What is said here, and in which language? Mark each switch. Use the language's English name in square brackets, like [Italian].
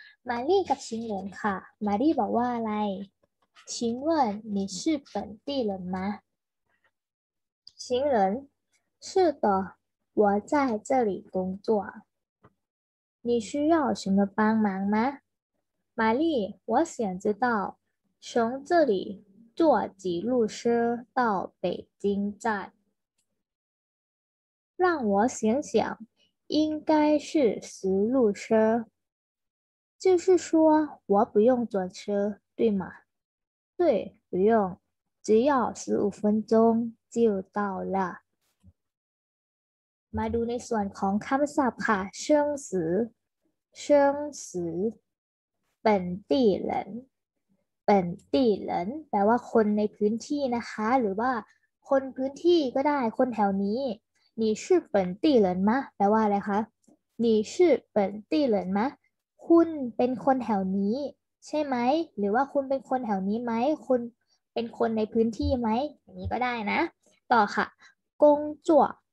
[Thai] หมารี่กับชิงเหรินค่ะหมารี่บอกว่าอะไร [Chinese] 请问你是本地人吗ชิงเหริน是的我在这里工作你需要什么帮忙吗玛丽，我想知道，从这里坐几路车到北京站？让我想想，应该是十路车。就是说，我不用转车，对吗？对，不用，只要15分钟就到了。 [Thai] มาดูในส่วนของคำศัพท์ค่ะ生死生死本地人本地人แปลว่าคนในพื้นที่นะคะหรือว่าคนพื้นที่ก็ได้คนแถวนี้ [Chinese] 你是本地人吗 [Thai] แปลว่าอะไรคะ你是本地人吗คุณเป็นคนแถวนี้ใช่ไหมหรือว่าคุณเป็นคนแถวนี้ไหมคุณเป็นคนในพื้นที่ไหมอย่างนี้ก็ได้นะต่อค่ะกงจั่ว